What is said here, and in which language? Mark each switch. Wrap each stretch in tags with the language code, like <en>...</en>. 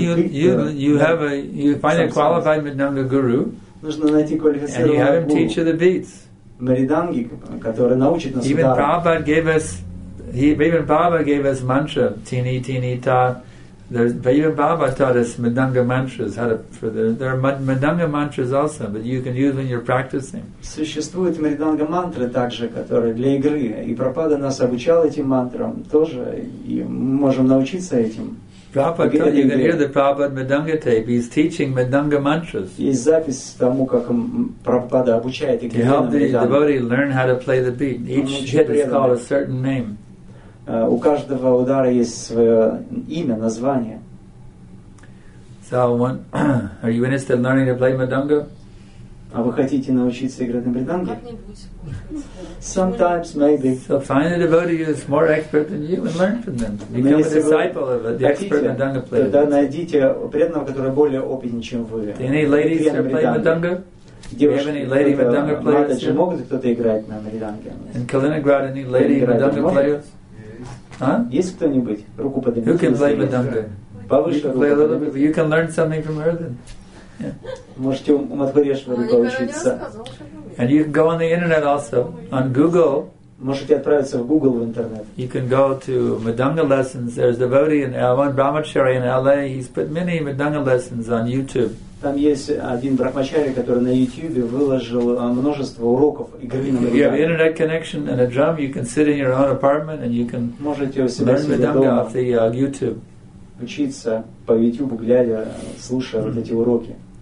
<en>You find a qualified Mridanga guru, and you have him teach you the beats.</en> <ru>Mridangi, который научит нас.</ru> <en>Even Prabhupada gave us mantra, tini tini ta. Even Baba taught us mridanga mantras. There are mridanga mantras also, but you can use when you're practicing.</en> <ru>Существуют мриданга мантры также, которые для игры. И Прабхупада нас обучал этим мантрам тоже, и мы можем научиться этим.</ru> <en>Prabhupada, you can hear the Prabhupada mridanga tape. He's teaching mridanga mantras.</en> <ru>Есть запись тому, как Прабхупада обучает игре.</ru> <en>To help the devotee learn how to play the beat. Each hit is called a certain name.</en> <ru>У каждого удара есть свое имя, название.</ru> <en>So, are you interested in learning to play mridanga?</en> <ru>А вы хотите научиться играть на мридангу? Как-нибудь.</ru> <en>Sometimes, maybe. So find a devotee who is more expert than you and learn from them. Become a disciple of the expert mridanga player.</en> <ru>Тогда найдите преданного, который более опытен, чем вы.</ru> <en>Do any ladies here play mridanga?</en> <ru>Девушки, могут кто-то играть на мридангу?</ru> <en>In Kaliningrad, any lady mridanga players?</en> <ru>Есть кто-нибудь? Руку поднимите.</ru> <en>Who can play mridanga?</en> <ru>Повыше руку.</ru> <en>You can learn something from her then.</en> <ru>Можете у Мадхуришвари поучиться.</ru> <en>And you can go on the internet also, on Google.</en> <ru>Можете отправиться в Google в интернет.</ru> <en>You can go to Madanga lessons. There's a devotee in L1, Brahmachari in LA. He's put many Madanga lessons on YouTube.</en> <ru>Там есть один брахмачари, который на YouTube выложил множество уроков игры на мидангах.</ru> <en>You have internet connection and a drum. You can sit in your own apartment and you can learn Madanga off the YouTube.</en> <ru>Учиться по YouTube, глядя, слушая вот эти уроки.</ru>